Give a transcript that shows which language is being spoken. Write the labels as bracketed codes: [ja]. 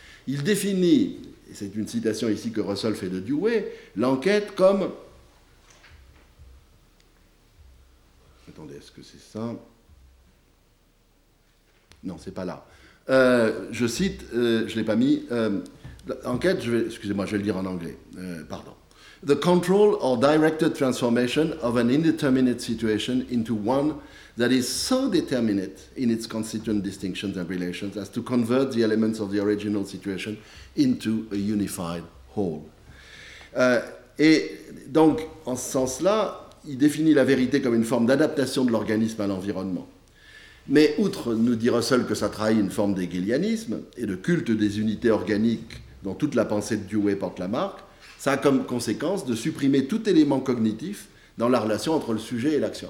[fr] Il définit, et c'est une citation ici que Russell fait de Dewey, l'enquête comme... Attendez, est-ce que c'est ça? Non, c'est pas là. Je cite, je l'ai pas mis... enquête, je vais le dire en anglais, pardon. [en] The control or directed transformation of an indeterminate situation into one that is so determinate in its constituent distinctions and relations as to convert the elements of the original situation into a unified whole. [fr] Et donc, en ce sens-là, il définit la vérité comme une forme d'adaptation de l'organisme à l'environnement. Mais outre nous dire seul que ça trahit une forme d'hégélianisme et de culte des unités organiques dont toute la pensée de Dewey porte la marque, ça a comme conséquence de supprimer tout élément cognitif dans la relation entre le sujet et l'action.